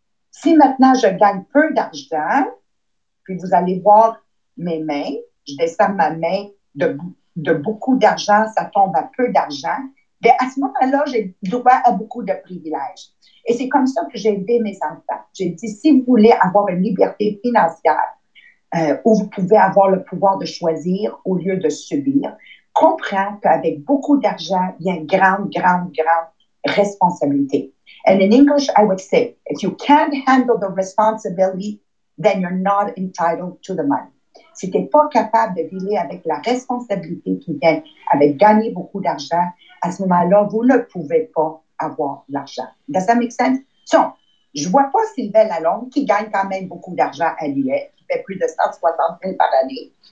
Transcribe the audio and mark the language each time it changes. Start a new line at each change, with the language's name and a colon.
French: Si maintenant je gagne peu d'argent, puis vous allez voir mes mains, je descends ma main de beaucoup d'argent, ça tombe à peu d'argent, bien, à ce moment-là, j'ai droit à beaucoup de privilèges. Et c'est comme ça que j'ai aidé mes enfants. J'ai dit, si vous voulez avoir une liberté financière où vous pouvez avoir le pouvoir de choisir au lieu de subir, comprends qu'avec beaucoup d'argent, il y a une grande, grande, grande responsabilité.
English: And in English, I would say, if you can't handle the responsibility, then you're not entitled to the money.
French: Si tu n'es pas capable de dealer avec la responsabilité qui vient avec gagner beaucoup d'argent, à ce moment-là, vous ne pouvez pas avoir l'argent.
English: Does that make sense?
French: Donc, je ne vois pas Sylvain Lalonde qui gagne quand même beaucoup d'argent à l'UE, qui fait plus de 160 000 par année.